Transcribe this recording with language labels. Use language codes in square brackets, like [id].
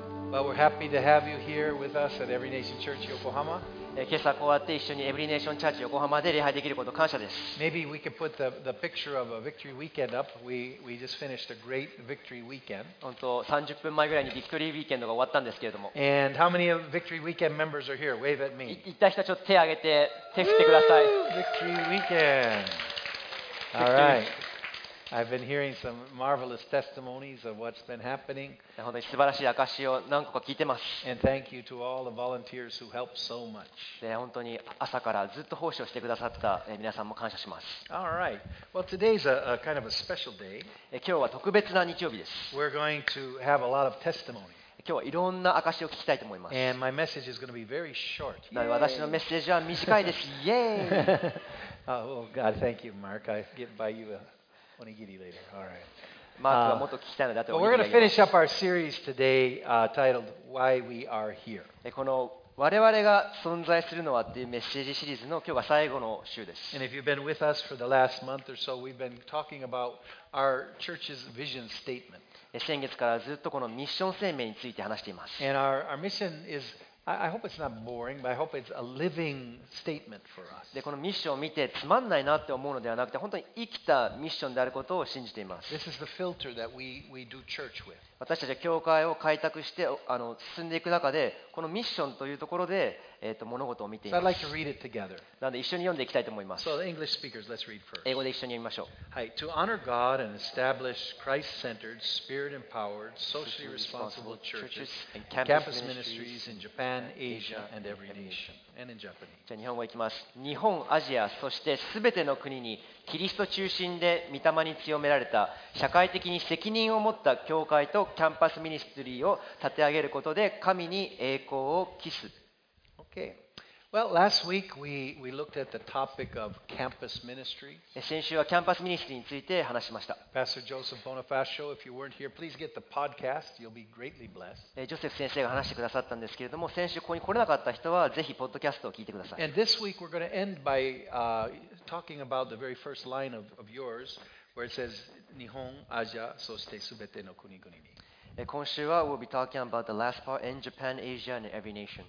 [en] Well, we're happy to have you here with us at Every Nation Church Yokohama. [ja] 今朝こうやって一緒にEvery Nation Church Yokohamaで礼拝できること感謝です。 [en] Maybe we could put the picture of a victory weekend up. We just finished a great victory weekend. [ja] 本当30分前ぐらいにビクトリーウィーケンドが終わったんですけれども。 [en] And how many of victory weekend members are here? Wave at me. [ja] 行った人はちょっと手を挙げて手振ってください。 [en] Victory weekend. All right. I've been hearing some marvelous testimonies of what's been happening. [ja] 本当に素晴らしい証しを何個か聞いてます。 [en] And thank you to all the volunteers who helped so much. [ja] 本当に朝からずっと奉仕をしてくださった皆さんも感謝します。 [en] All right. Well, today's a kind of a special day. [ja] 今日は特別な日曜日です。 [en] We're going to have a lot of testimony. [ja] 今日はいろんな証を聞きたいと思います。 [en] And my message is going to be very short. [ja] 私のメッセージは短いです。イエーイ。 [en] Oh, God, thank you, Mark. I get by you. おにぎりLater. All right. [ja] マークはもっと聞きたいのであと [en] We're going to finish up our series today, titled Why We Are Here. [ja] この我々が存在するのはっていうメッセージシリーズの今日が最後の週です。 [en] And if you've been with us for the last month or so, we've been talking about our church's vision statement. [ja] 先月からずっとこのミッション声明について話しています。 [en] And our mission is, I hope it's not boring, but I hope it's a living statement for us. [ja] で、このミッションを見てつまんないなって思うのではなくて、本当に生きたミッションであることを信じています。 [en] This is the filter that we do church with. [ja] 私たちは教会を開拓して進んでいく中で、このミッションというところで物事を見ています。 [en] So I'd like to read it together. [ja] なので一緒に読んでいきたいと思います。 [en] So English speakers, let's read first. [ja] 英語で一緒に読みましょう。はい。 [en] To honor God and establish Christ-centered, Spirit-empowered, socially responsible churches and campus ministries in Japan, Asia, and every nation. And in Japanese. [ja] じゃあ日本語いきます。日本、アジア、そしてすべての国にキリスト中心で御霊に強められた社会的に責任を持った教会とキャンパスミニストリーを立て上げることで神に栄光を期す。 [en] Okay. Well, last week we looked at the topic of campus ministry. [ja] 先週はキャンパスミニストリーについて話しました。 [en] Pastor Joseph Bonifacio, if you weren't here, please get the podcast. You'll be greatly blessed. [ja] ジョセフ先生が話してくださったんですけれども、先週ここに来れなかった人はぜひポッドキャストを聞いてください。 [en] And this week we're going to end by talking about the very first line of yours, where it says [ja] 日本、アジア、そしてすべての国々に。今週は [en] we'll be talking about the last part in Japan, Asia, and every nation.